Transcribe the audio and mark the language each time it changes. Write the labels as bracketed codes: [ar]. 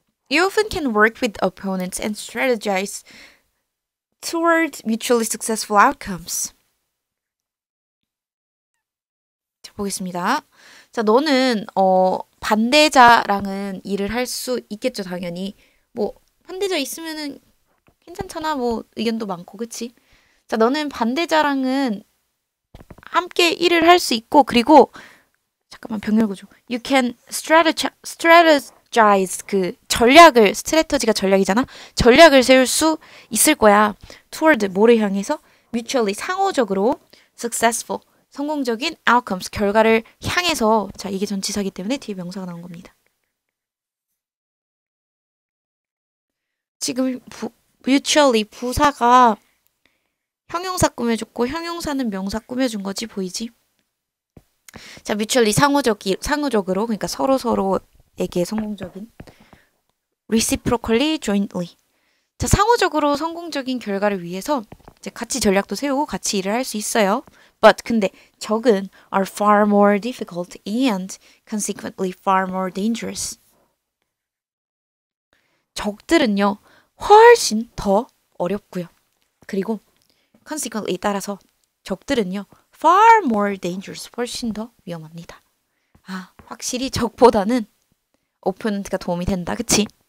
[en] You often can work with opponents and strategize towards mutually successful outcomes. [ko] 자, 보겠습니다. 자, 너는 반대자랑은 일을 할수 있겠죠, 당연히. 뭐, 반대자 있으면은 괜찮잖아. 뭐 의견도 많고, 그치? 자, 너는 반대자랑은 함께 일을 할수 있고, 그리고 잠깐만 병렬구조. [en] You can strategize [ko] 그 전략을, 스트래터지가 전략이잖아. 전략을 세울 수 있을 거야. Toward 뭐를 향해서? Mutually 상호적으로 successful 성공적인 outcomes 결과를 향해서. 자, 이게 전치사이기 때문에 뒤에 명사가 나온 겁니다. 지금 mutually 부사가 형용사 꾸며줬고, 형용사는 명사 꾸며준 거지, 보이지? 자, mutually 상호적으로, 그러니까 서로서로에게 성공적인. reciprocally, jointly. 자, 상호적으로 성공적인 결과를 위해서 이제 같이 전략도 세우고 같이 일을 할수 있어요. [en] But, [ko] 근데, 적은 [en] are far more difficult and consequently far more dangerous. [ko] 적들은요, 훨씬 더 어렵고요. 그리고, consequently 따라서 적들은요, [en] far more dangerous, [ko] 훨씬 더 위험합니다. 아, 확실히 적보다는 오퍼넌트가 도움이 된다, 그치?